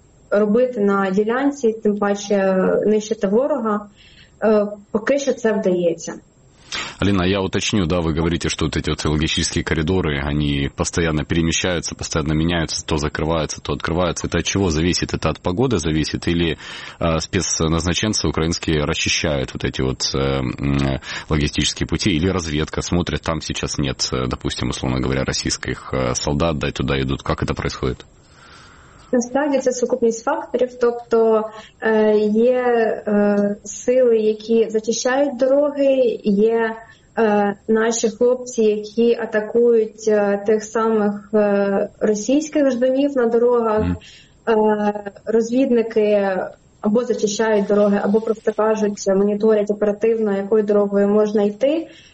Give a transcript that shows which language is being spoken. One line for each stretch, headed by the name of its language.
Ukrainian: робити на ділянці, тим паче нищити ворога, поки що це вдається.
Russian: Алина, я уточню, да, вы говорите, что вот эти вот логистические коридоры, они постоянно перемещаются, постоянно меняются, то закрываются, то открываются. Это от чего зависит? Это от погоды зависит? Или спецназначенцы украинские расчищают вот эти вот логистические пути? Или разведка смотрит, там сейчас нет, допустим, условно говоря, российских солдат, да, и туда идут. Как это происходит?
Ukrainian: Насправді це сукупність факторів, тобто є сили, які зачищають дороги, є наші хлопці, які атакують тих самих російських ждунів на дорогах, розвідники або зачищають дороги, або просто кажуть, моніторять оперативно, якою дорогою можна йти.